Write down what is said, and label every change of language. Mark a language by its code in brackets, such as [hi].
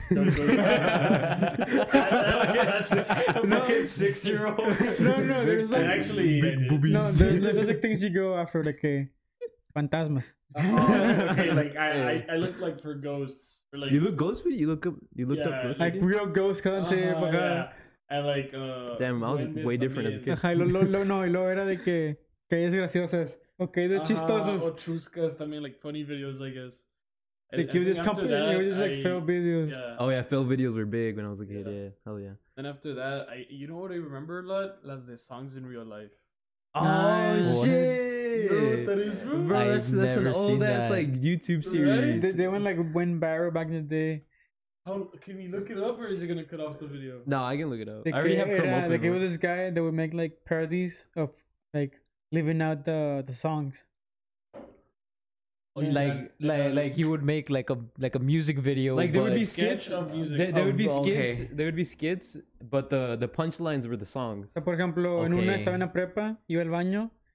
[en] I'm 6-year old. No, there's like actually big boobies. No, there's like things you go after, like fantasma. I look like for ghosts. Or, like, you look ghost video? You looked up ghost like video? Real ghost content. Yeah. And like, damn, I was way different as a kid. [es] Ajá, y lo, no, y lo era de que es graciosas. Okay, de chistosas. O chuscas también, [en] like funny videos, I guess. They give this company, it was just like fail videos. Yeah. Oh yeah, fail videos were big when I was a kid. Yeah, yeah. Hell yeah. And after that, you know what I remember a lot? [es] Las de Songs in Real Life. [en] Oh, oh shit! Bro, that is real. Bro, that's an old ass like YouTube series. Right? They went like went viral back in the day. How can you look it up, or is it gonna cut off the video? No, I can look it up. They I already have Chrome open. Like it was this guy that would make like parodies of like living out the songs. Oh, yeah. Like he would make like a music video. Like there would be skits. There would be skits, but the punchlines were the songs. [es] So, por ejemplo, okay. En una estaba en la prepa, iba al baño.